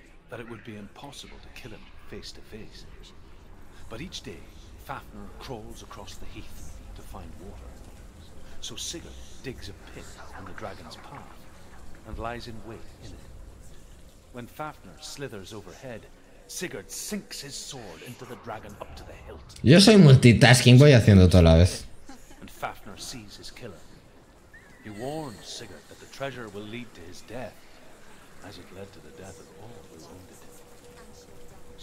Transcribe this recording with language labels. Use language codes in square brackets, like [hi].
[en] But each day, Fafnir crawls across the heath to find water. So Sigurd digs a pit on the dragon's path and lies in wait in it. When Fafnir slithers overhead, Sigurd sinks his sword into the dragon up to the hilt. [es] Yo soy multitasking, voy haciendo todo a la vez. [en] And Fafnir sees his killer. He warns Sigurd that the treasure will lead to his death, as it led to the death of all who owned it.